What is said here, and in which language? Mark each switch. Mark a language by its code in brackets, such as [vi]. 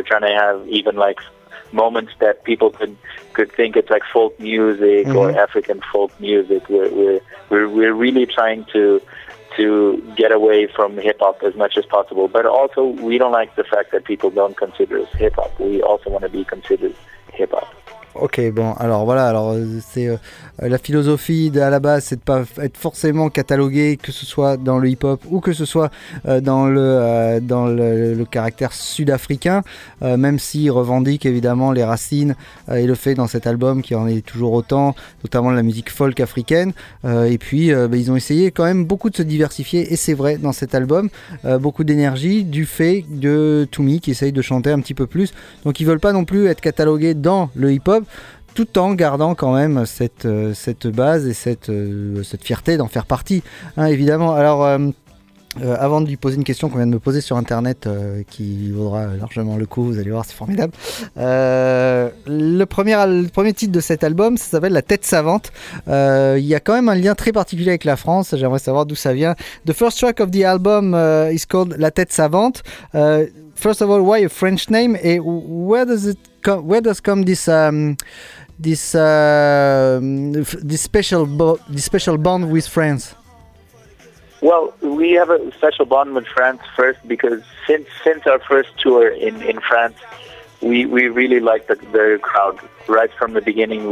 [en] We're trying to have even like moments that people could think it's like folk music, mm-hmm. or African folk music. We're really trying to get away from hip hop as much as possible. But also, we don't like the fact that people don't consider us hip hop. We also want to be considered hip hop. [fr] Ok, bon, alors voilà, alors c'est la philosophie à la base, c'est de pas être forcément catalogué, que ce soit dans le hip-hop ou que ce soit dans le caractère sud-africain, même s'il revendique évidemment les racines et le fait dans cet album qu'il en est toujours autant, notamment de la musique folk africaine. Et puis ils ont essayé quand même beaucoup de se diversifier, et c'est vrai dans cet album, beaucoup d'énergie du fait de Toomey qui essaye de chanter un petit peu plus. Donc ils veulent pas non plus être catalogués dans le hip-hop, tout en gardant quand même cette base et cette fierté d'en faire partie, hein, évidemment. Alors avant de lui poser une question qu'on vient de me poser sur internet, qui vaudra largement le coup, vous allez voir, c'est formidable. Le premier titre de cet album, ça s'appelle La Tête Savante. Il y a quand même un lien très particulier avec la France, j'aimerais savoir d'où ça vient. [en] The first track of the album is called La Tête Savante. First of all, why a French name, and where does this special bond with France? Well, we have a special bond with France first because since our first tour in France, we really liked the crowd right from the beginning.